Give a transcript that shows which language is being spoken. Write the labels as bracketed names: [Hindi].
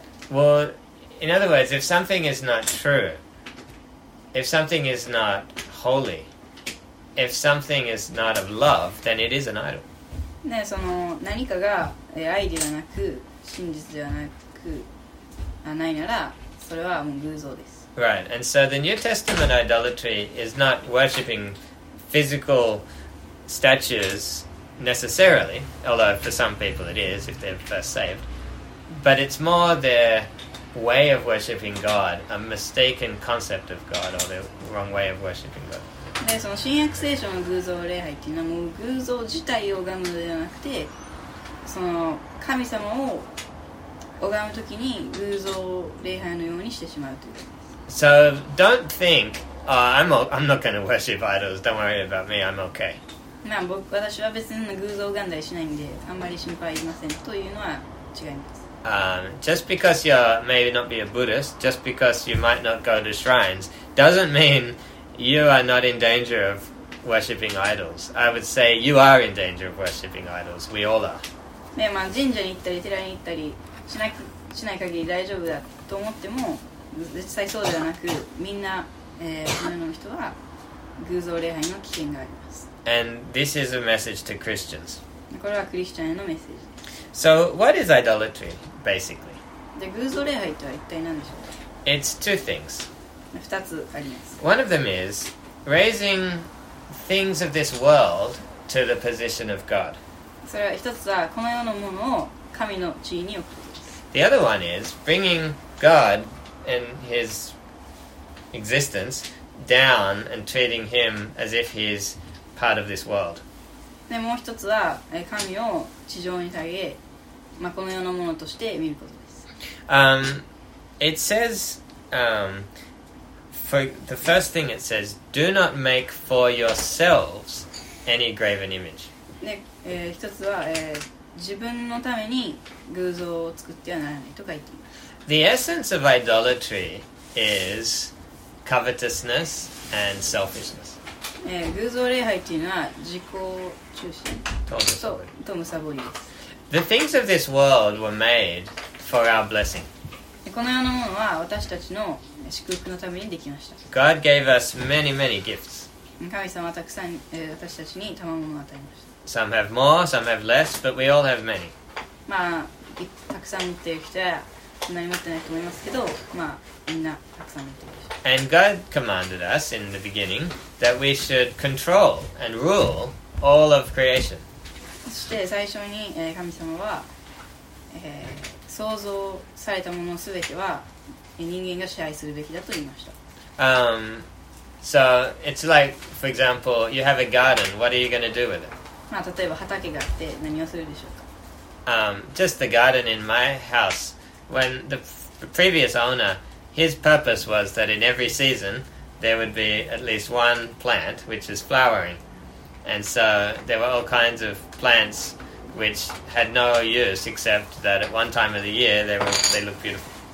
[English] Well, in other words, if something is not true, if something is not holy, if something is not of love, then it is an idol. [Japanese] ね、その何かが愛ではなく真実ではなくないならそれはもう偶像です。 [English] Right, and so the New Testament idolatry is not worshipping physical statues necessarily, although for some people it is if they're first saved, but it's more their way of worshipping God, a mistaken concept of God, or the wrong way of worshipping God. [Japanese] でその新約聖書の偶像礼拝っていうのはもう偶像自体を拝むのではなくてその神様を拝むときに偶像礼拝のようにしてしまうということです。 [English] So don't think, I'm not going to worship idols, don't worry about me, I'm okay. [Japanese] まあ僕私は別に偶像拝んだりしないんであんまり心配いりませんというのは違います。 [English] Just because you may not be a Buddhist, just because you might not go to shrines, doesn't meanYou are not in danger of worshipping idols. I would say you are in danger of worshipping idols. We all are. [Japanese] ね、まあ神社に行ったり寺に行ったりしない限り大丈夫だと思っても、実際そうではなく、みんな、この世の人は偶像礼拝の危険があります。 [English] And this is a message to Christians. [Japanese] これはクリスチャンへのメッセージ。 [English] So what is idolatry, basically? [Japanese] で、偶像礼拝とは一体何でしょうか? [English] It's two things. [Japanese] 2つあります。 [English] One of them is raising things of this world to the position of God. [Japanese] それは1つはこの世のものを神の地位に置くことです。 [English] The other one is bringing God and his existence down and treating him as if he's part of this world. [Japanese] でもう1つは神を地上に下げ、まあ、この世のものとして見ることです。 [English] It says, For the first thing it says, do not make for yourselves any graven image. [Japanese] ね、一つは、自分のために偶像を作ってはならないと書いています。 [English] The essence of idolatry is covetousness and selfishness. [Japanese] 偶像礼拝というのは自己中心。とむさぼりです。 [English] The things of this world were made for our blessing. [Japanese] この世のものは私たちの祝福のためにできました。 [English] God gave us many, many gifts. [Japanese] 神様はたくさん、私たちに賜物を与えました。 [English] Some have more, some have less, but we all have many. [Japanese] まあ、たくさん持っている人はそんなに持ってないと思いますけど、まあ、みんなたくさん持っている人。 [English] And God commanded us in the beginning that we should control and rule all of creation. [Japanese] そして最初に神様は、創造されたものすべては人間が支配するべきだと言いました。 [English] So it's like, for example, you have a garden. What are you going to do with it? [Japanese] まあ例えば畑があって何をするでしょうか。 [English] Just the garden in my house. When the previous owner, his purpose was that in every season there would be at least one plant which is flowering, and so there were all kinds of plants. Which had no use except that at one time of the year they looked beautiful.